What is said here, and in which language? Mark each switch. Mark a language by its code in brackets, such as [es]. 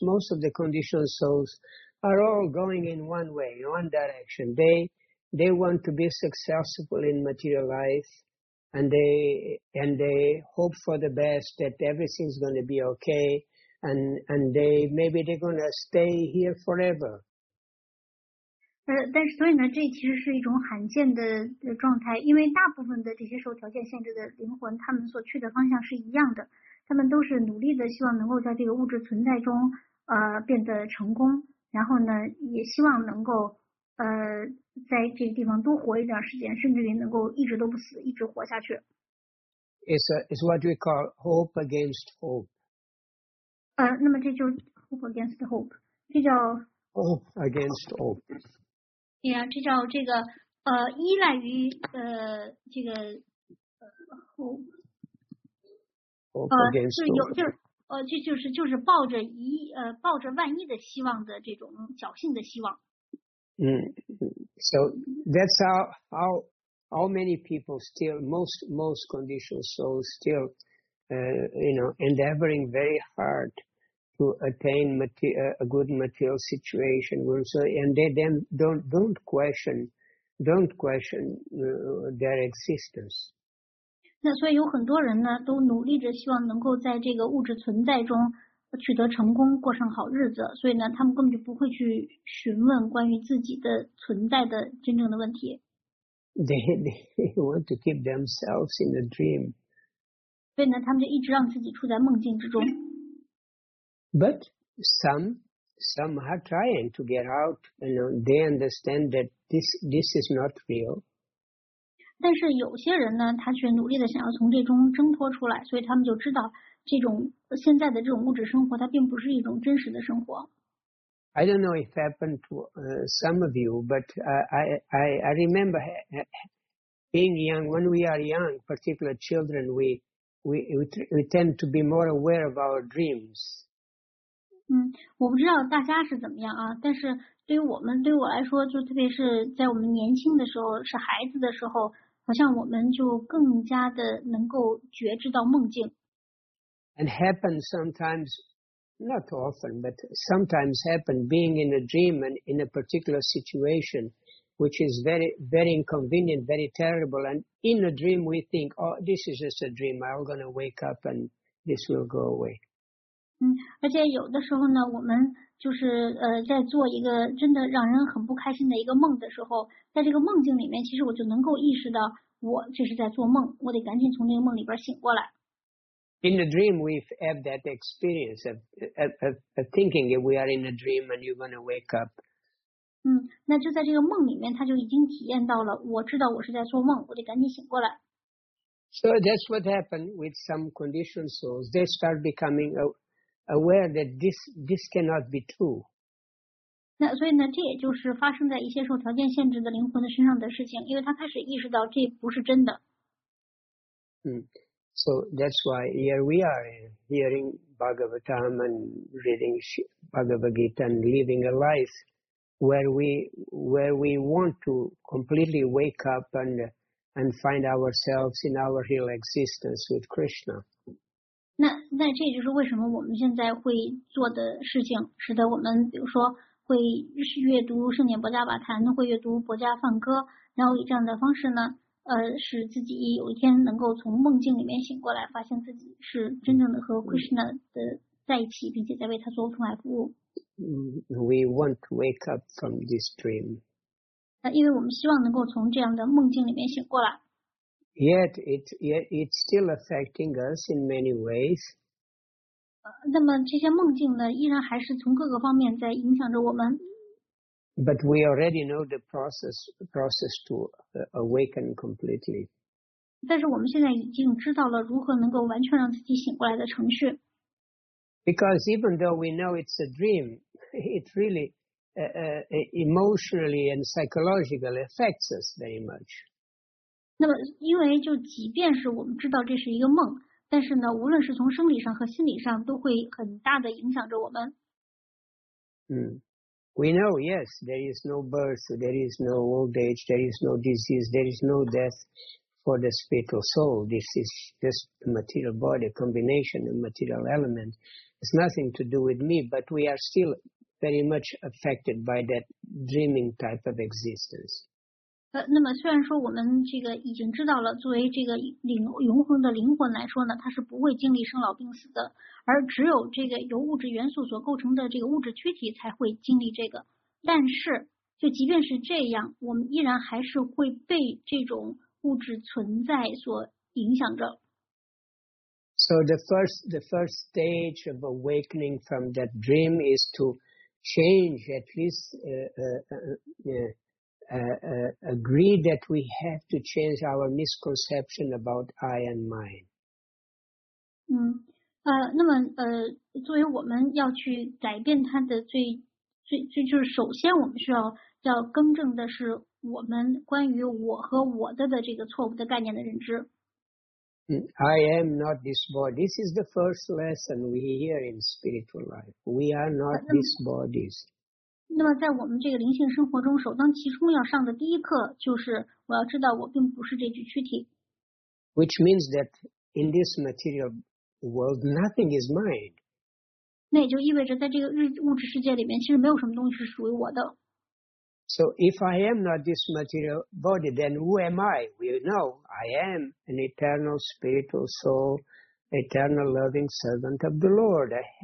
[en] Most of the conditioned souls are all going in one way, in one direction. They want to be successful in material life, and they hope for the best that everything's going to be okay, and maybe they're going to stay here forever. [zh] 但是所以呢，这其实是一种罕见的状态，因为大部分的这些受条件限制的灵魂，他们所去的方向是一样的，他们都是努力的希望能够在这个物质存在中变得成功，然后呢也希望能够在这个地方多活一段时间，甚至于能够一直都不死，一直活下去。 [en] It's what we call hope against hope. [zh] 那么这就是 [en] hope against hope. [zh] 这叫 [en] hope against hope. [zh] 对呀，这叫这个依赖于这个 [en] hope against hope. [zh] 这就是抱着抱着万一的希望的这种侥幸的希望。 [en] So that's how many people still most conditioned souls still endeavoring very hard to attain a good material situation. So and they then don't question their existence. [zh] 那所以有很多人呢都努力着希望能够在这个物质存在中取得成功，过上好日子，所以呢他们根本就不会去询问关于自己的存在的真正的问题。 [en] They want to keep themselves in the dream. [zh] 所以呢他们就一直让自己处在梦境之中。 [en] But some are trying to get out, you know, they understand that this is not real. [zh] 但是有些人呢他却努力的想要从这中挣脱出来，所以他们就知道这种现在的这种物质生活它并不是一种真实的生活。 [en] I don't know if it happened to some of you, but I remember being young, when we are young, particularly children, we tend to be more aware of our dreams. [zh] 我不知道大家是怎么样啊，但是对我来说，就特别是在我们年轻的时候，是孩子的时候，好像我们就更加的能够觉知到梦境。 [en] And happens sometimes, not often, but sometimes happen being in a dream and in a particular situation, which is very, very inconvenient, very terrible. And in a dream, we think, oh, this is just a dream. I'm going to wake up and this will go away. [zh] 而且有的时候呢，我们就是在做一个真的让人很不开心的一个梦的时候，在这个梦境里面，其实我就能够意识到我这是在做梦，我得赶紧从那个梦里边醒过来。 [en] In the dream, we have that experience of thinking we are in a dream and you're going to wake up. [zh] 那就在这个梦里面，他就已经体验到了，我知道我是在做梦，我得赶紧醒过来。 [en] So that's what happened with some conditioned souls. They start becoming aware that this cannot be true. [zh] 那所以呢，这也就是发生在一些受条件限制的灵魂的身上的事情，因为他开始意识到这不是真的。 [en] So that's why here we are hearing Bhagavatam and reading Bhagavad Gita and living a life where we want to completely wake up and find ourselves in our real existence with Krishna. [zh] 那这就是为什么我们现在会做的事情，使得我们比如说会阅读圣典薄伽瓦坛，会阅读薄伽梵歌，然后以这样的方式呢，使自己有一天能够从梦境里面醒过来，发现自己是真正的和 Krishna 的在一起，并且在为他做出来服务。 [en] We want to wake up from this dream. [zh] 因为我们希望能够从这样的梦境里面醒过来。 [en] Yet it's still affecting us in many ways. [zh] 那么这些梦境呢，依然还是从各个方面在影响着我们。 [en] But we already know the process to awaken completely. [zh] 但是我们现在已经知道了如何能够完全让自己醒过来的程序。 [en] Because even though we know it's a dream, it really emotionally and psychologically affects us very much. [zh] 那么因为就即便是我们知道这是一个梦，但是呢，无论是从生理上和心理上都会很大的影响着我们。 [en] We know, yes, there is no birth, there is no old age, there is no disease, there is no death for the spiritual soul. This is just the material body, a combination of material element. It's nothing to do with me, but we are still very much affected by that dreaming type of existence. [zh] 那么虽然说我们这个已经知道了，作为这个永恒的灵魂来说呢，它是不会经历生老病死的，而只有这个由物质元素所构成的这个物质躯体才会经历这个。但是，就即便是这样，我们依然还是会被这种物质存在所影响着。 [en] So the first stage of awakening from that dream is to change at least agree that we have to change our misconception about I and mine. [zh] 那么作为我们要去改变它的最就是首先我们需要更正的是我们关于我和我的这个错误的概念的认知。 [en] I am not this body. This is the first lesson we hear in spiritual life. We are not these bodies. [zh] 那么在我们这个灵性生活中，首当其冲要上的第一课就是我要知道我并不是这具躯体。 [en] Which means that in this material world, nothing is mine. [zh] 那也就意味着在这个物质世界里面，其实没有什么东西是属于我的。 [en] So if I am not this material body, then who am I? We know I am an eternal spiritual soul, eternal loving servant of the Lord.